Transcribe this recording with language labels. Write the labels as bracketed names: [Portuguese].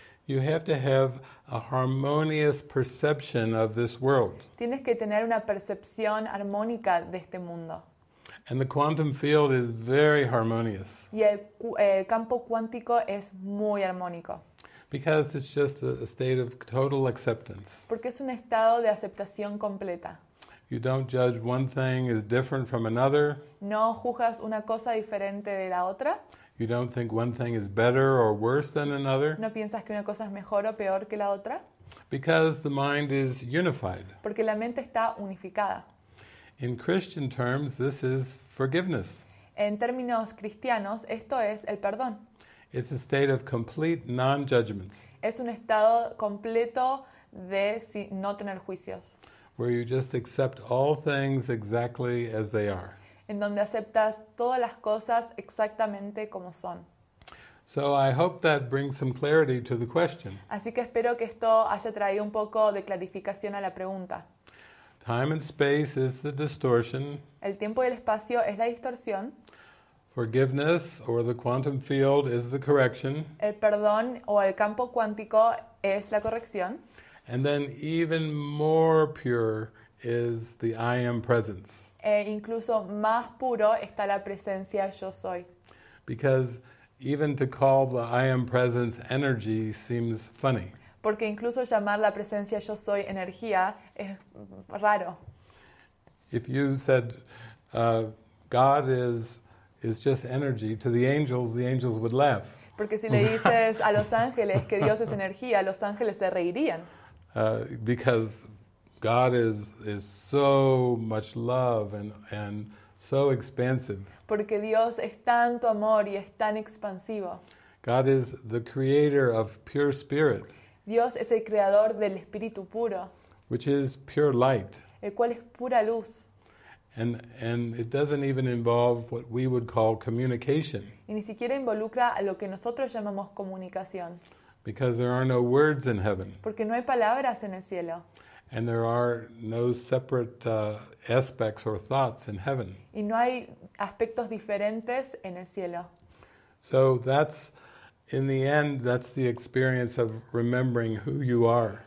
[English] You have to have a harmonious perception of this world. [Spanish] Tienes que tener una percepción armónica de este mundo. [English] And the quantum field is very harmonious. [Spanish] Y el campo cuántico es muy armónico. [English] Because it's just a state of total acceptance. [Spanish] Porque es un estado de aceptación completa. [English] You don't judge one thing as different from another. [Spanish] No juzgas una cosa diferente de la otra. [English] You don't think one thing is better or worse than another. [Spanish] No piensas que una cosa es mejor o peor que la otra. [English] Because the mind is unified. [Spanish] Porque la mente está unificada. [English] In Christian terms, this is forgiveness. [Spanish] En términos cristianos, esto es el perdón. [English] It's a state of complete non-judgment. [Spanish] Es un estado completo de no tener juicios. [English] Where you just accept all things exactly as they are. [Spanish] En donde aceptas todas las cosas exactamente como son. [English] So I hope that brings some clarity to the question. [Spanish] Así que espero que esto haya traído un poco de clarificación a la pregunta. [English] Time and space is the distortion. [Spanish] El tiempo y el espacio es la distorsión. [English] Forgiveness or the quantum field is the correction. [Spanish] El perdón o el campo cuántico es la corrección. [English] And then even more pure is the I am presence. [Spanish] E incluso más puro está la presencia yo soy. [English] Because even to call the I am presence energy seems funny. [Spanish] Porque incluso llamar la presencia yo soy energía es raro. [English] If you said God is just energy to the angels would laugh. [Spanish] Porque si le dices a los ángeles que Dios es energía, los ángeles se reirían. [English] Because God is so much love and so expansive. [Spanish] Porque Dios es tanto amor y es tan expansivo. [English] God is the creator of pure spirit. [Spanish] Dios es el creador del espíritu puro. [English] Which is pure light. [Spanish] El cual es pura luz. [English] And it doesn't even involve what we would call communication. [Spanish] Y ni siquiera involucra a lo que nosotros llamamos comunicación. [English] Because there are no words in heaven. [Spanish] Porque no hay palabras en el cielo. [English] And there are no separate aspects or thoughts in heaven. [Spanish] Y no hay aspectos diferentes en el cielo. [English] So that's, in the end, that's the experience of remembering who you are.